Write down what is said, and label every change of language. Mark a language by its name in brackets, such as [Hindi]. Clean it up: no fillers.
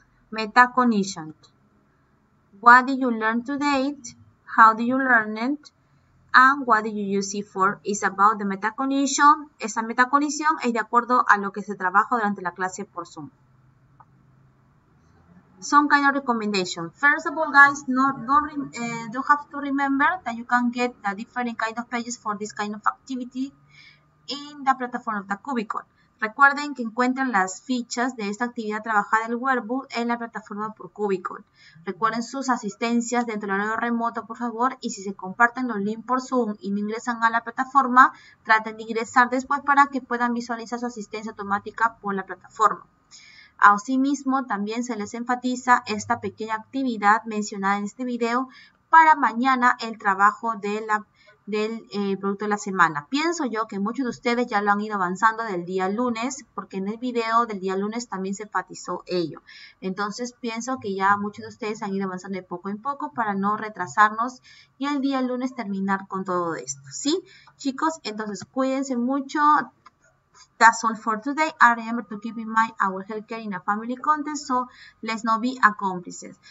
[English] Metacognition. What did you learn today? How did you learn it? And what did you use it for? It's about the metacognition. [Spanish] Esa metacognición es de acuerdo a lo que se trabaja durante la clase por Zoom. [English] some kind of recommendation. First of all, guys, don't have to remember that you can get a different kind of pages for this kind of activity in the plataforma of the cubicle. [Spanish] Recuerden que encuentran las fichas de esta actividad trabajada del workbook en la plataforma por cubicle. Recuerden sus asistencias dentro del horario remoto, por favor, y si se comparten los links por Zoom y no ingresan a la plataforma, traten de ingresar después para que puedan visualizar su asistencia automática por la plataforma. Asimismo, también se les enfatiza esta pequeña actividad mencionada en este video para mañana el trabajo de del producto de la semana. Pienso yo que muchos de ustedes ya lo han ido avanzando del día lunes, porque en el video del día lunes también se enfatizó ello. Entonces, pienso que ya muchos de ustedes han ido avanzando de poco en poco para no retrasarnos y el día lunes terminar con todo esto, ¿sí? Chicos, entonces, cuídense mucho. [English] That's all for today. I remember to keep in mind our healthcare in a family context, so let's not be accomplices.